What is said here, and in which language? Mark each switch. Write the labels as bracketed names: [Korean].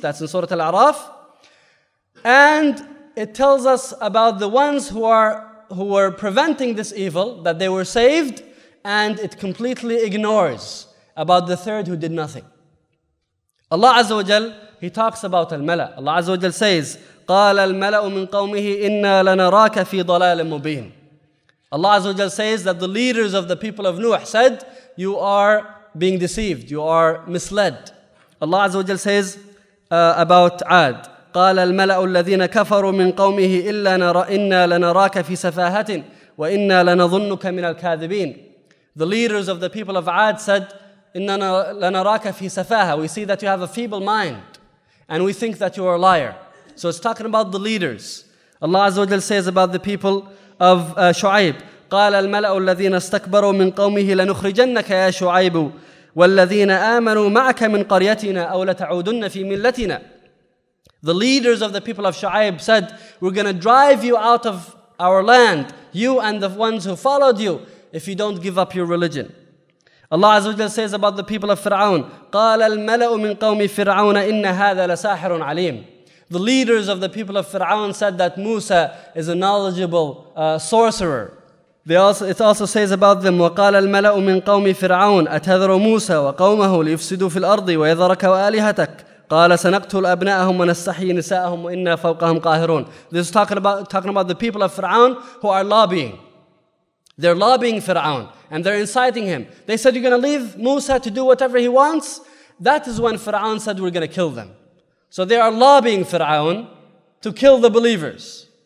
[English] That's in Surah Al-A'raf. And it tells us about the ones who were preventing this evil, that they were saved, and it completely ignores about the third who did nothing. Allah Azza wa Jal, He talks about al-mala. [Arabic] Allah Azza wa Jal says, قَالَ الْمَلَأُ مِنْ قَوْمِهِ إِنَّا لَنَرَاكَ فِي ضَلَالٍ مُبِينٍ. [English] Allah Azza wa Jal says that the leaders of the people of Nuh said, you are being deceived, you are misled. Allah Azza wa Jal says about Ad, [Arabic] قَالَ الْمَلَأُ الَّذِينَ كَفَرُوا مِنْ قَوْمِهِ إِنَّا لَنَرَاكَ فِي سَفَاهَةٍ وَإِنَّا لَنَظُنُّكَ مِنَ الْكَاذِبِينَ. [English] The leaders of the people of Ad said, [Arabic] إِنَّا لَنَرَاكَ فِي سَفَاهَةٍ. [English] We see that you have a feeble mind, and we think that you are a liar. So it's talking about the leaders. Allah Azza wa Jal says about the people of Shu'aib, [Arabic] قَالَ الْمَلَأُ الَّذِينَ اسْتَكْبَرُوا مِنْ قَوْمِهِ لَنُخْرِجَنَّكَ يَا شُعَيْبُ وَالَّذِينَ آمَنُوا مَعَكَ مِنْ قَرْيَتِنَا أَوْ لَتَعُودُنَّ فِي مِلَّتِنَا. [English] The leaders of the people of Shu'aib said, we're going to drive you out of our land, you and the ones who followed you, if you don't give up your religion. Allah Azza wa Jalla says about the people of Fir'aun, [Arabic] قَالَ الْمَلَأُ مِنْ قَوْمِ فِرْعَوْنَ إِنَّ هَذَا لَسَاحِرٌ عَلِيمٌ. [English] The leaders of the people of Fir'aun said that Musa is a knowledgeable sorcerer. It also says about them, [Arabic] وَقَالَ الْمَلَأُ مِنْ قَوْمِ فِرْعَوْنَ أَتَذَرُ مُوسَى وَقَوْمَهُ لِيُفْسِدُوا فِي الْأَرْضِ وَيَذَرَكَ وَآلِهَتَكَ قَالَ سَنَقْتُلُ أَبْنَاءَهُمْ وَنَسْتَحْيِي نِسَاءَهُمْ وَإِنَّا فَوْقَهُمْ قَاهِرُونَ. [English] This is talking about the people of Fir'aun who are lobbying. They're lobbying Fir'aun and they're inciting him. They said, you're going to leave Musa to do whatever he wants? That is when Fir'aun said, we're going to kill them. So they are lobbying Fir'aun to kill the believers.